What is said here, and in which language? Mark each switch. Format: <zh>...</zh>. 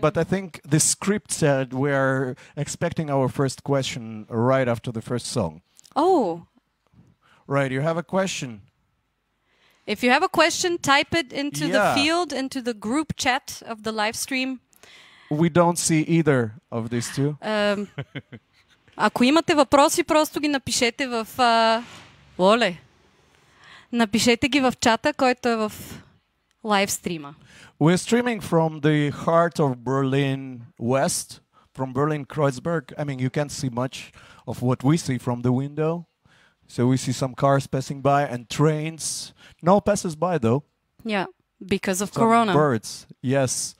<en>But I think the script said we're expecting our first question right after the first song. Oh. Right. You have a question. If you have a question, type it into the field, into the group chat of the live stream. we don't see either of these two.</en> <bg>Ако имате въпроси, просто ги напишете в... Оле! Напишете ги в чата, който е в лайвстрима.</bg> <en>We're streaming from the heart of Berlin West, from Berlin Kreuzberg. I mean, you can't see much of what we see from the window. So we see some cars passing by and trains. No passes by, though. Yeah, because of corona. Birds, yes.</en>